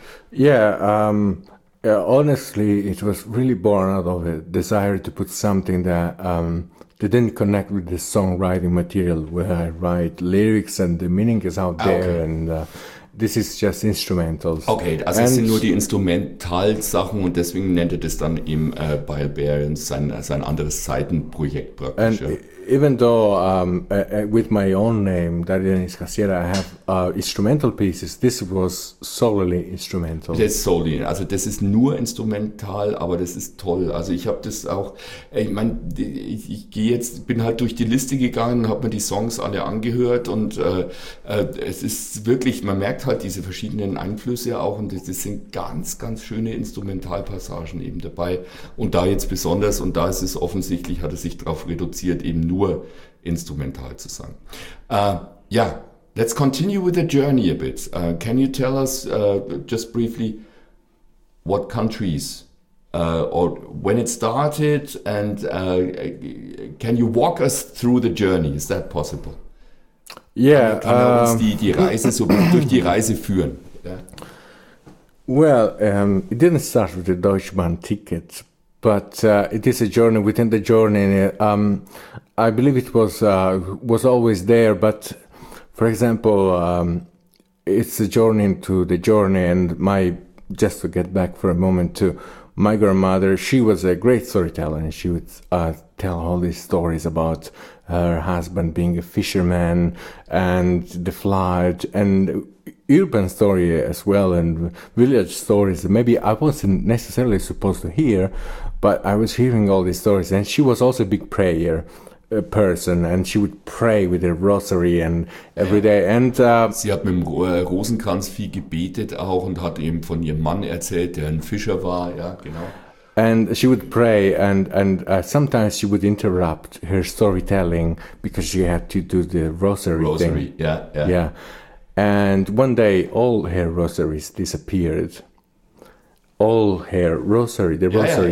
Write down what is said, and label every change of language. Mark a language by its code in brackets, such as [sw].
[en] Yeah, honestly, it was really born out of a desire to put something that didn't connect with the songwriting material, where I write lyrics and the meaning is out there. Okay. And this is just instrumentals. [de] Okay, also es sind nur die Instrumentalsachen und deswegen nennt er das dann eben Bayle Bear und sein anderes Seitenprojekt praktisch. [en] And even though with my own name, Darien Iscasiera, I have instrumental pieces, this was solely instrumental. Yes, solely. [de] Also das ist nur instrumental, aber das ist toll. Also ich habe das auch, ich meine, ich gehe jetzt, bin halt durch die Liste gegangen, habe mir die Songs alle angehört und es ist wirklich, man merkt halt diese verschiedenen Einflüsse auch und das sind ganz, ganz schöne Instrumentalpassagen eben dabei. Und da jetzt besonders, und da ist es offensichtlich, hat es sich darauf reduziert, eben nur instrumental zu sein. [en] Let's continue with the journey a bit. Can you tell us just briefly what countries or when it started and can you walk us through the journey? Is that possible? Yeah, [de] die Reise so durch die Reise führen. [en] Yeah. Well, it didn't start with the Deutschbahn ticket, but it is a journey within the journey. I believe it was always there. But for example, it's a journey into the journey. And my just to get back for a moment to my grandmother. She was a great storyteller, and she would tell all these stories about her husband being a fisherman and the flood and urban story as well and village stories. Maybe I wasn't necessarily supposed to hear, but I was hearing all these stories. And she was also a big prayer person, and she would pray with a rosary and every day. And [de] sie hat mit dem Rosenkranz viel gebetet auch und hat eben von ihrem Mann erzählt, der ein Fischer war. Ja, genau. [en] And she would pray, and sometimes she would interrupt her storytelling because she had to do the rosary thing. Rosary, yeah. Yeah. And one day, all her rosaries disappeared. all hair, rosary, the rosary,